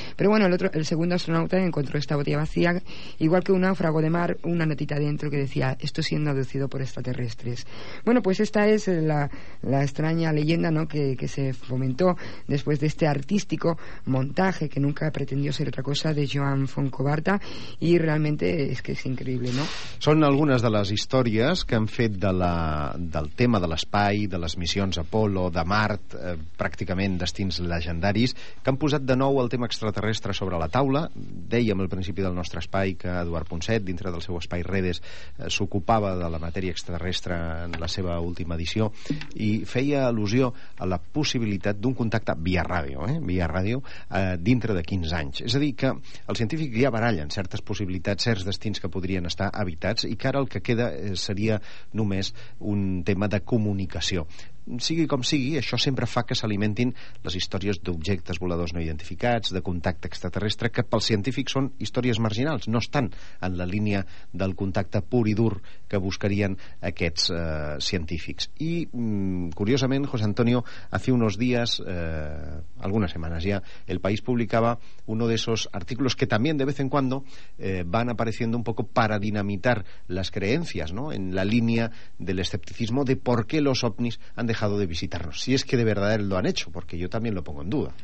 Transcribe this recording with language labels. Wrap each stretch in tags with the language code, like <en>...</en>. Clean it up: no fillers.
<es>Pero bueno, el segundo astronauta encontró esta botella vacía, igual que un náufrago de mar, una notita dentro que decía, estoy siendo aducido por extraterrestres. Bueno, pues esta es la extraña leyenda, ¿no?, que se fomentó después de este artístico montaje que nunca pretendió ser otra cosa, de Joan Fontcoberta, y realmente es que es increíble, ¿no?</es> <ca>Són algunes de les històries que han fet del tema de l'espai, de les missions Apollo, de Mart, pràcticament destins legendaris, que han posat de nou el tema extraterrestre sobre la taula. Dèiem al principi del nostre espai que Eduard Ponset, dintre del seu espai Redes, s'ocupava de la matèria extraterrestre en la seva última edició i feia al·lusió a la possibilitat d'un contacte via ràdio, dintre de 15 anys. És a dir, que el científic ja baralla en certes possibilitats, certs destins que podrien estar habitats, i que ara el que queda seria només un tema de comunicació. Sigui com sigui, això sempre fa que s'alimentin les històries d'objectes voladors no identificats, de contacte extraterrestre, que pels científics són històries marginals, no estan en la línia del contacte pur i dur que buscarien aquests científics.</ca> <es>I, curiosament, José Antonio, hace unos días, algunas semanas ya, El País publicaba uno de esos artículos que también de vez en cuando van apareciendo un poco para dinamitar las creencias, ¿no?, en la línea del escepticismo de por qué los ovnis han dejado de visitarnos, si es que de verdad lo han hecho, porque yo también lo pongo en duda.</es>